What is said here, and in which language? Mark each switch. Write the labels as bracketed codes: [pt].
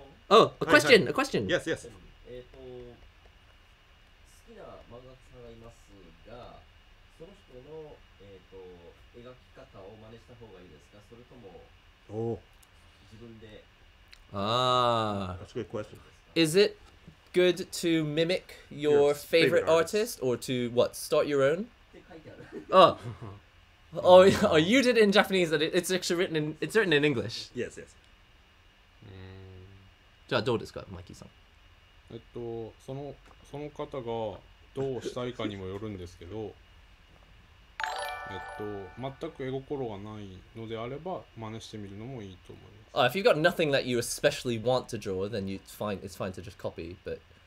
[en] お、a question、はい、a question。 Yes, yes. [ja] 好きな漫画家さんがいますが、その人の描き方を真似した方がいいですか、それとも、自分で。 [en] That's a good question. Is it good to mimic your favorite artist or to what, start your own? [ja] って書いてある。 [en] Oh. Oh, you did it in Japanese, and it's actually written in, it's written in English. Yes, yes. [ja] じゃあどうですか、マイキーさん。その方がどうしたいかにもよるんですけど、全く絵心がないのであれば、真似してみるのもいいと思います。 [en] If you've got nothing that you especially want to draw, then it's fine to just copy, but...